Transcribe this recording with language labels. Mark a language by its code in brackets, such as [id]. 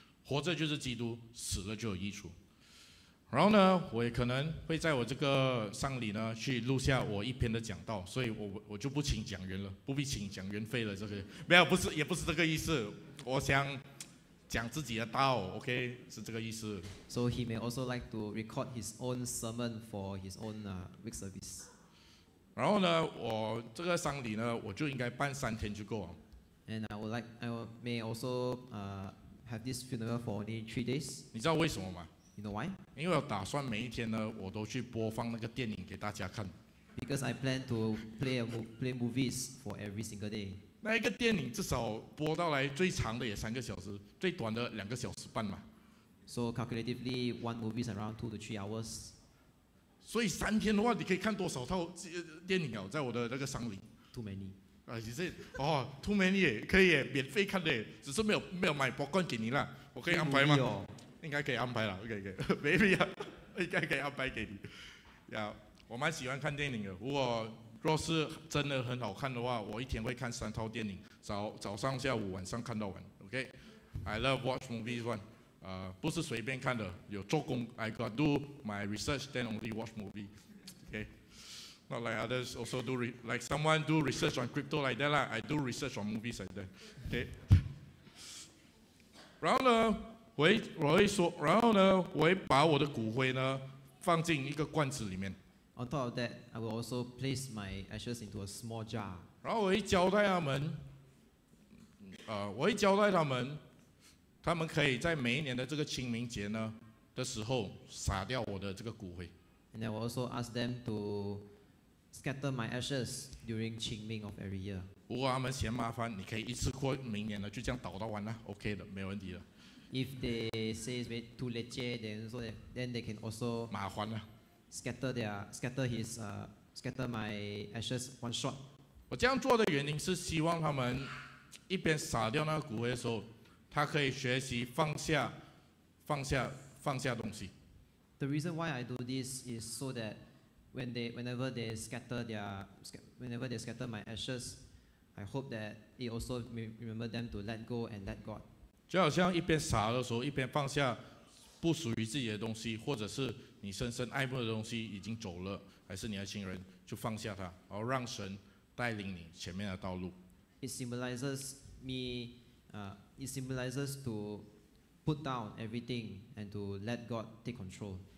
[zh] 活着就是基督，死了就有益处。然后呢，我也可能会在我这个丧礼呢去录下我一篇的讲道，所以我就不请讲员了，不必请讲员费了。这个没有，不是这个意思，我想。讲自己的道 ，OK， 是这个意思。 [en] So he may also like to record his own sermon for his own week service. [zh] 然后呢，我这个丧礼呢，我就应该办三天就够了。 [en] And I may also have this funeral for only 3 days. [zh] 你知道为什么吗 [en] ？You know why? [zh] 因为我打算每一天呢，我都去播放那个电影给大家看。 [en] Because I plan to play movies for every single day. [zh] 那一个电影至少播到来最长的也3个小时，最短的2.5小时嘛。 [en] So calculatively, one movie is around 2 to 3 hours. [zh] 所以三天的话，你可以看多少套电影啊？在我的那个丧礼。 [en] Too many. [zh] 啊，其实哦 ， [en] too many [zh] 也可以耶，免费看的耶，只是没有买 popcorn 给你啦，我可以安排吗？哦、应该可以安排了 ，OK OK， 没必要，应该可以安排给你。要、yeah. ，我蛮喜欢看电影的，如果若是真的很好看的话，我一天会看三套电影，早上、下午、晚上看到完。 [en] OK, I love watch movies one, [zh] 不是随便看的，有做工。 [en] I got do my research, then only watch movie. OK, not like others also do like someone do research on crypto like that lah. I do research on movies like that. [zh] OK, 然后呢，我会把我的骨灰呢放进一个罐子里面。 [en] On top of that, I will also place my ashes into a small jar. [zh] 然后我会交代他们，我会交代他们，他们可以在每一年的这个清明节呢的时候撒掉我的这个骨灰。 [en] And I will also ask them to scatter my ashes during Qingming of every year. [zh] 如果他们嫌麻烦，你可以一次过明年的就这样倒到完了 ，OK 的，没问题的。 [en] If they say it's too late, then they can also [zh] 麻烦啊。 [en] Scatter my ashes one shot. [zh] 我这样做的原因是希望他们一边撒掉那个骨灰的时候，他可以学习放下东西。 [en] The reason why I do this is so that whenever they scatter my ashes, I hope that it also remember them to let go and let God. [zh] 就好像一边撒的时候，一边放下不属于自己的东西，或者是你深深爱慕的东西已经走了，还是你的亲人，就放下它，然后让神带领你前面的道路。 [en] It symbolizes me, it symbolizes to put down everything and to let God take control.